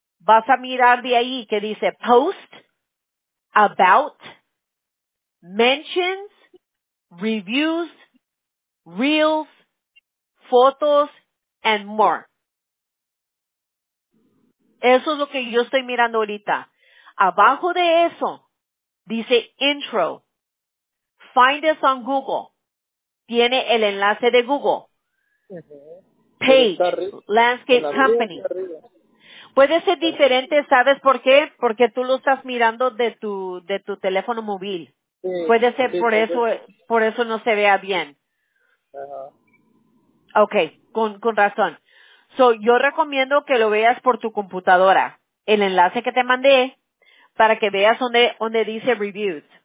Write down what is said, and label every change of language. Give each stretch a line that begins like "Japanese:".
Spanish: Vas a mirar de ahí que dice post, about, mentions, reviews, reels, fotos, and more. Eso es lo que yo estoy mirando ahorita. Abajo de eso dice intro.
English: Find us on Google.
Spanish: Tiene el enlace de Google. Uh-huh.
English: Page, landscape company.
Spanish: Puede ser diferente, ¿sabes por qué? Porque tú lo estás mirando de tu teléfono móvil. Sí, puede ser por eso no se vea bien. Ajá. Okay, con razón. So, yo recomiendo que lo veas por tu computadora, el enlace que te mandé, para que veas donde dice reviews.